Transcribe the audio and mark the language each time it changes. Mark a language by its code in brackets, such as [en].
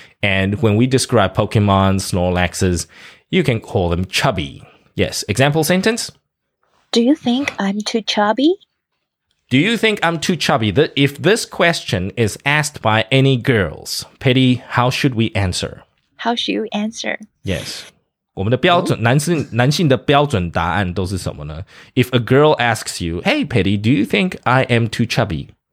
[en] And when we describe Pokemon, Snorlaxes, you can call them chubby. Yes, example sentence. Do you think I'm too chubby? Do you think I'm too chubby? If this question is asked by any girls, Patty, how should we answer? How should you answer? Yes. [zh] 我们的标准、男性的标准答案都是什么呢? [en] If a girl asks you, Hey, Patty, do you think I am too chubby?